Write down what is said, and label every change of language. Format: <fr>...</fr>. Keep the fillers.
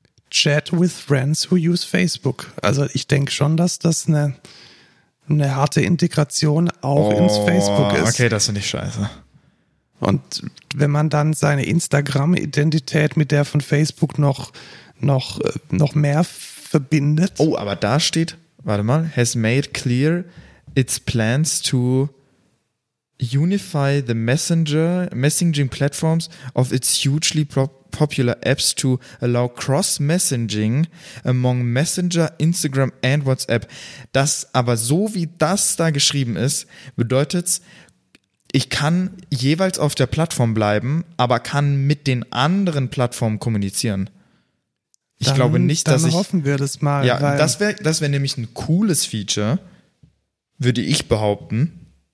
<en>Chat with friends who use Facebook.</en> <de>Also ich denke schon, dass das eine, eine harte Integration auch ins Facebook ist. Okay, das finde ich scheiße. Und wenn man dann seine Instagram-Identität mit der von Facebook noch, noch, äh, noch mehr verbindet.</de> <en>Oh,</en> <de>aber da steht, warte mal,</de> <en>has made clear its plans to unify the messenger messaging platforms of its hugely pro- popular apps to allow cross messaging among Messenger, Instagram and WhatsApp.</en> <de>Das aber so wie das da geschrieben ist, bedeutet's ich kann jeweils auf der Plattform bleiben, aber kann mit den anderen Plattformen kommunizieren. Ich dann, glaube nicht, dann dass ich hoffen wir das mal. ja, weil, das wäre das wär nämlich ein cooles Feature, würde ich behaupten.</de>